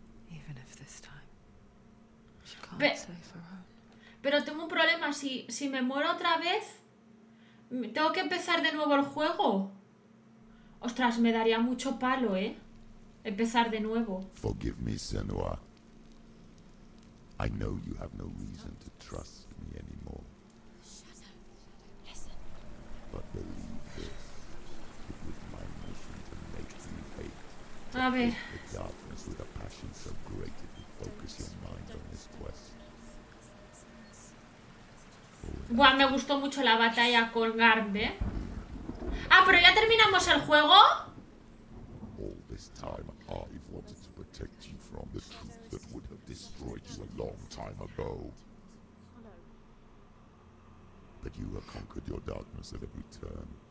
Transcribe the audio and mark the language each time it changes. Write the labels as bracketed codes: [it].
[en] Even if this time she can't save her own. [es] Pero tengo un problema. Si me muero otra vez, tengo que empezar de nuevo el juego. Ostras, me daría mucho palo, ¿eh? Empezar de nuevo. [en] Forgive me, Senua. I know you have no reason to trust me anymore. But believe this. It was my mission to make you hate. [es] A ver. [en] The darkness with a passion so great it would focus your mind on this quest. [es] Buah, me gustó mucho la batalla con Garb, ¿eh? Ah, pero ya terminamos el juego. [en] All this time I wanted to protect you from the truth that would have destroyed you a long time ago. But you have conquered your darkness at every turn.